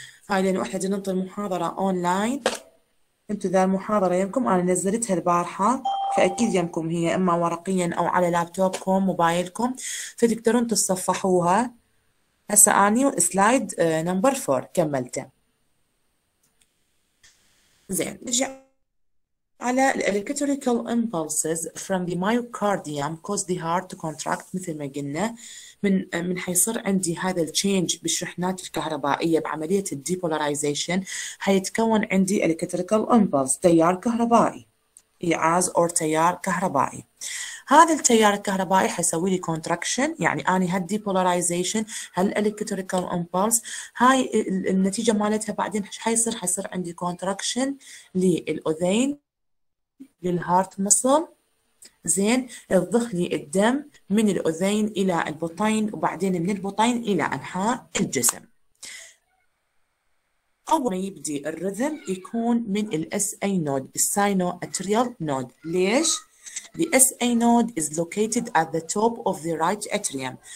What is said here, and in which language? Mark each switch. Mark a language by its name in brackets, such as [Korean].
[Arabic] هاي لأنه إحنا ننطي المحاضرة أونلاين. أنتم إذا المحاضرة يمكم، أنا نزلتها البارحة فأكيد يمكم هي إما ورقيا أو على لابتوبكم موبايلكم، فتقدرون تتصفحوها. هسا أني سلايد نمبر 4 كملته. زين، نجي على الـ [English] electrical impulses from the myocardium cause the heart to contract. [Arabic] مثل ما قلنا، من حيصير عندي هذا الـ change بالشحنات الكهربائية بعملية الـ depolarization، حيتكون عندي electrical impulse، تيار كهربائي، إيعاز أو تيار كهربائي. هذا التيار الكهربائي حيسوي لي contraction، يعني أني هال depolarization هال electrical impulse، هاي النتيجة مالتها بعدين ايش حيصير؟ حيصير عندي contraction للأذين، للهارت مصل. زين، الضخ لي الدم من الأذين إلى البطين، وبعدين من البطين إلى أنحاء الجسم. أول ما يبدي الرذم يكون من الـ SA node، الـ Sino Atrial node. ليش؟ [English] The SA node is located at the top of the right atrium.